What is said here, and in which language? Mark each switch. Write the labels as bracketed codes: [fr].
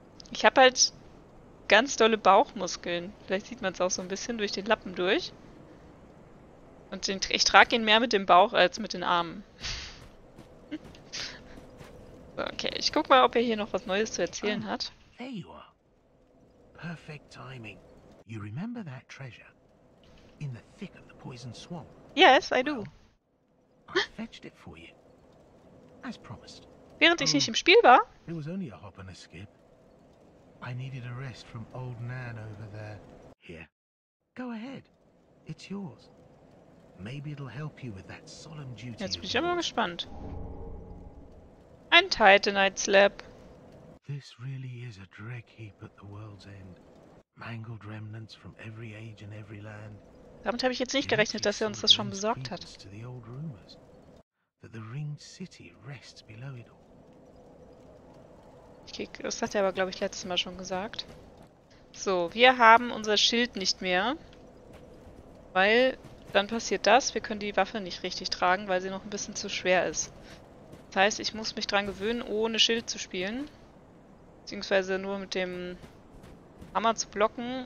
[de] Ich habe halt ganz dolle Bauchmuskeln. Vielleicht sieht man es auch so ein bisschen durch den Lappen durch. Und den, ich trage ihn mehr mit dem Bauch als mit den Armen. Okay, ich guck mal, ob er hier noch was Neues zu erzählen hat. [en] There you are. Perfect timing. You remember that treasure in the thick of the poison swamp? Yes, I do. Well, I fetched it for you, as promised. [de] Während ich nicht im Spiel war. [en] It was only a hop and a skip. I needed a rest from old Nan over there. Here. Go ahead. It's yours. Maybe it'll help you with that solemn duty. [de] Jetzt bin ich aber gespannt. Ein Titanite Slab. [en] This really is a dreck heap at the world's end. Mangled remnants from every age and every land. [de] Damit habe ich jetzt nicht gerechnet, dass er uns das schon besorgt hat. [en] The old rumors that the ringed city rests below it all. [de] Das hat er aber, glaube ich, letztes Mal schon gesagt. So, wir haben unser Schild nicht mehr. Weil dann passiert das. Wir können die Waffe nicht richtig tragen, weil sie noch ein bisschen zu schwer ist. Das heißt, ich muss mich dran gewöhnen, ohne Schild zu spielen. Beziehungsweise nur mit dem Hammer zu blocken.